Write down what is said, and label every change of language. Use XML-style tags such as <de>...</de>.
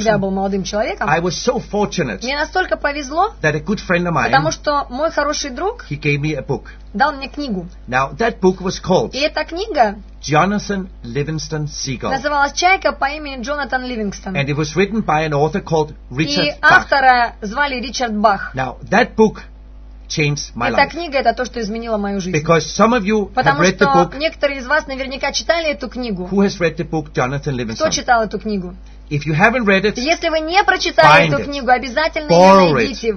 <ru>когда я был молодым человеком,</ru> <en>I was so fortunate,</en> <ru>мне настолько повезло,</ru> <en>that a good friend of mine,</en> <ru>потому что мой хороший друг,</ru> <en>he gave me a book.</en> <ru>Дал мне книгу.</ru> <en>Now, that book was called,</en> <ru>и эта книга</ru> <en>Jonathan Livingston Seagull.</en> <ru>Называлась «Чайка» по имени Джонатан Ливингстон.</ru> <en>And it was written by an author called Richard Bach.</en> <ru>И автора звали Ричард Бах.</ru> <en>Now, that book changed my life.</en> <ru>Эта книга — это то, что изменило мою жизнь.</ru> <en>Because some of you</en> <ru>потому</ru> <en>have read the book.</en> <ru>Потому что некоторые из вас наверняка читали эту книгу.</ru> <en>Who has read the book, Jonathan Livingston?</en> <ru>Кто читал эту книгу?</ru> <en>If you haven't read it,</en> <ru>если вы не прочитали эту книгу, обязательно ее найдите.</ru>